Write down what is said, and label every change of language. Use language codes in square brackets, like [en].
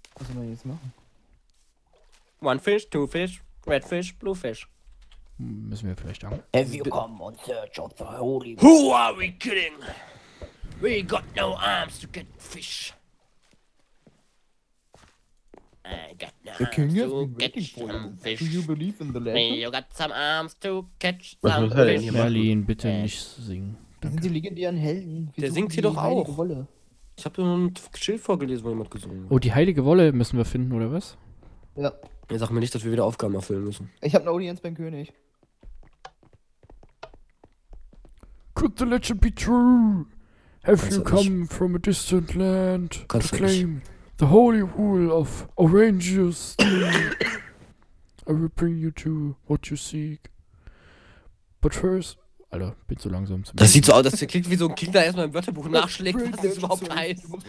[de] Was soll man jetzt machen? [en] One Fish, Two Fish, Red Fish, Blue Fish. Müssen wir vielleicht an. Have you come on search of the holy. Who are we kidding? We got no arms to get fish. I got no arms to get some fish. Do you believe in the legend? You got some arms to catch some fish. [de] Merlin, bitte nicht singen. Das sind die legendären Helden. Wir der singt hier doch auch. Wolle. Ich hab nur ein Schild vorgelesen, wo jemand gesungen hat. Oh, die heilige Wolle müssen wir finden, oder was? Ja. Ja, sag mir nicht, dass wir wieder Aufgaben erfüllen müssen. Ich hab eine Audienz beim König. [en] Could the legend be true? Have you come from a distant land to claim the holy wool of Orangius? I will bring you to what you seek. But first. [de] Alter, bin zu langsam zum. Das sieht so aus, dass der klingt wie so ein Kind, der erstmal im Wörterbuch nachschlägt, was das überhaupt heißt.